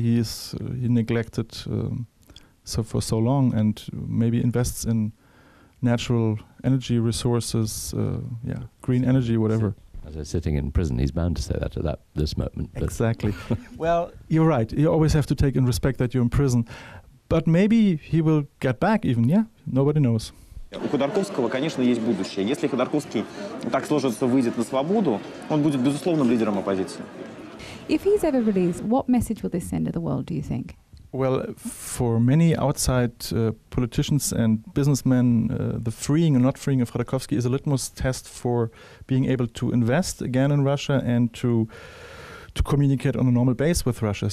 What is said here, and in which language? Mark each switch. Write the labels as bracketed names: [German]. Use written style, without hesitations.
[English] He neglected so long, and maybe invests in natural energy resources, green energy, whatever. As they're sitting in prison, he's bound to say that at this moment. Exactly. Well, you're right. You always have to take in respect that you're in prison. But maybe he will get back even, yeah? Nobody knows. [Russian] У Ходорковского, конечно, есть будущее. Если Ходорковский так сложится, выйдет на свободу, он будет безусловным лидером оппозиции. [English] If he's ever released, what message will this send to the world, do you think? Well, for many outside politicians and businessmen, the freeing or not freeing of Khodorkovsky is a litmus test for being able to invest again in Russia and to communicate on a normal base with Russia.